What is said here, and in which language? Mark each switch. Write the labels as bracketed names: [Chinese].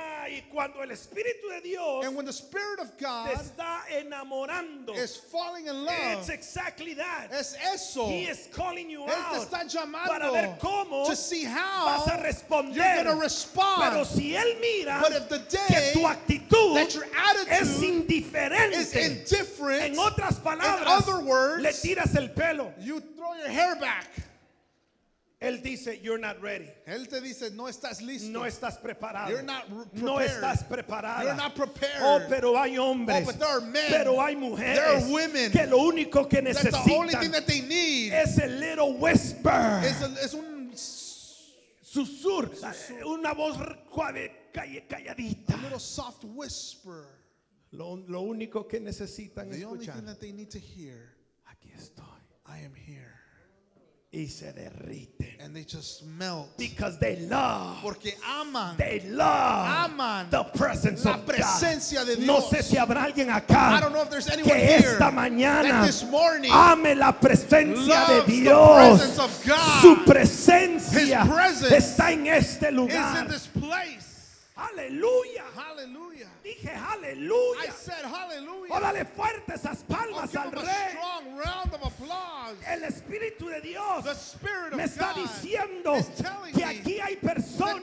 [Spanish] Y cuando el Espíritu de Dios, [English] and when the Spirit of God, [Spanish] está enamorando, [English] is falling in love, it's exactly that, [Spanish] es eso, [English] he is calling you out, [Spanish] él te está llamando, para ver cómo, [English] to see how, [Spanish] vas a responder, [English] you're going to respond. [Spanish] Pero si él mira, [English] but if the day, [Spanish] que tu actitud, [English] that your attitude, [Spanish] es indiferente, [English] is indifferent, [Spanish] en otras palabras, [English] in other words, [Spanish] le tiras el pelo, [English] you throw your hair back, [Spanish] él dice, [English] you're not ready. [Spanish] Él te dice, no estás listo. No estás preparado. [English] You're not prepared. [Spanish] No estás preparada. [English] You're not prepared. [Spanish] Oh, pero hay hombres. [English] Oh, but there are men. [Spanish] Pero hay mujeres. [English] There are women. [Spanish] Que lo único que necesitan, [English] that the only thing that they need, [Spanish] es el [English] little whisper. [Spanish] Es un susurro. Una voz calladita. [English] A little soft whisper. [Spanish] Lo único que necesitan escuchar. [English] The only thing that they need to hear. [Spanish] Aquí estoy. [English] I am here. [Spanish] Y se derriten. [English] And they just melt. Because they love. [Spanish] Porque aman. [English] They love. [Spanish] Aman. [English] The presence of God. [Spanish] La presencia de Dios. No sé si habrá alguien acá. [English] I don't know if there's anyone here. [Spanish] Que esta mañana. [English] That this morning. [Spanish] Ame la presencia de Dios. [English] The presence of God. [Spanish] Su presencia. [English] His presence. [Spanish] Está en este lugar. [English] Is in this place. [Spanish] Aleluya. [English] Hallelujah. [Spanish] Y dije aleluya. [English] I said hallelujah. [Spanish] Órale fuerte esas palmas al rey. [English] Give him a strong round of applause. [Spanish] El Espíritu de Dios [English] the Spirit of [Spanish] me está diciendo que aquí hay personas